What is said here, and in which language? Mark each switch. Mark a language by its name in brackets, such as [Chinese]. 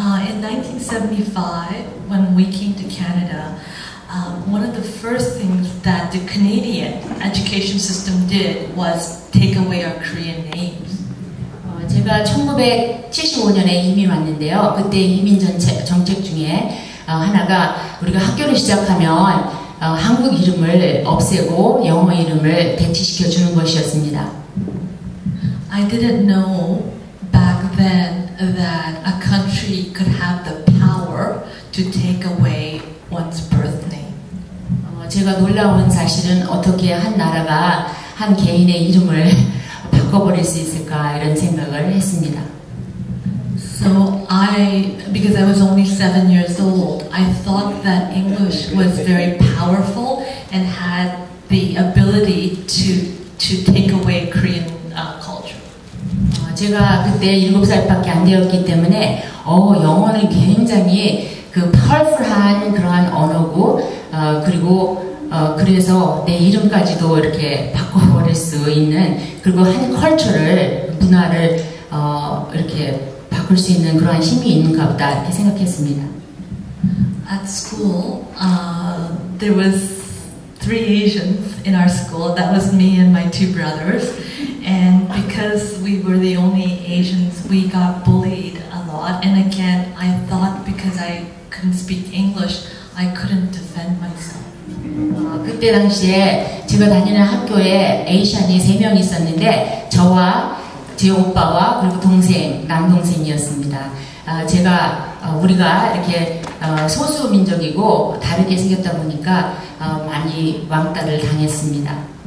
[English] In 1975, when we came to Canada, one of the first things that the Canadian education system did was take away our Korean names. [Korean] 제가 1975년에 이민 왔는데요. 그때 이민 정책 중에 하나가 우리가 학교를 시작하면 한국 이름을 없애고 영어 이름을 대체시켜 주는 것이었습니다. [English] I didn't know back then that a country could have the power to take away one's birth name. [Korean] 제가 놀라운 사실은 어떻게 한 나라가 한 개인의 이름을 바꿔버릴 수 있을까 이런 생각을 했습니다. [English] So I, because I was only 7 years old, I thought that English was very powerful and had the ability to take away Korean culture. [Korean] 제가 그때 7살밖에 안 되었기 때문에 영어는 굉장히 그 powerful한 그러한 언어고 그리고 그래서 내 이름까지도 이렇게 바꿔버릴 수 있는 그리고 한 컬처를 문화를 이렇게 바꿀 수 있는 그러한 힘이 있는가 보다 이렇게 생각했습니다. [English] At school, there was three Asians in our school. That was me and my two brothers. And because we were the only Asians, we got bullied a lot. And again, I thought because I couldn't speak English, I couldn't defend myself. [Korean] 그때 당시에 제가 다니는 학교에 에이션이 3명 있었는데 저와 제 오빠와 그리고 동생, 남동생이었습니다. 제가 우리가 이렇게 소수민족이고 다르게 생겼다 보니까 많이 왕따를 당했습니다.